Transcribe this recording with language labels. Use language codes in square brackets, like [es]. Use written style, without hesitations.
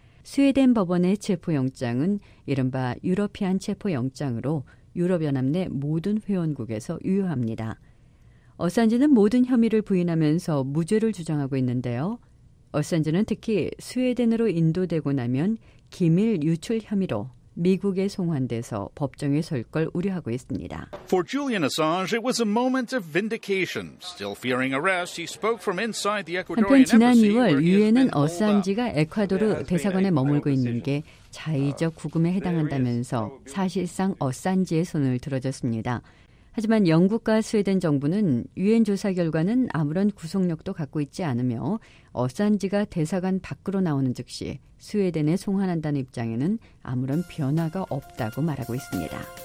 [ko] 스웨덴 법원의 체포영장은 이른바 유러피안 체포영장으로 유럽연합 내 모든 회원국에서 유효합니다. 어산지는 모든 혐의를 부인하면서 무죄를 주장하고 있는데요. 어산지는 특히 스웨덴으로 인도되고 나면 기밀 유출 혐의로 미국에 송환돼서 법정에 설 걸 우려하고 있습니다. [en] For Julian Assange, it was a moment of vindication. Still fearing arrest, he spoke from inside the Ecuadorian embassy. [ko] 한편 지난 2월 유엔은 어산지가 에콰도르 대사관에 머물고 있는 게 자의적 구금에 해당한다면서 사실상 어산지의 손을 들어줬습니다. 하지만 영국과 스웨덴 정부는 유엔 조사 결과는 아무런 구속력도 갖고 있지 않으며 어산지가 대사관 밖으로 나오는 즉시 스웨덴에 송환한다는 입장에는 아무런 변화가 없다고 말하고 있습니다.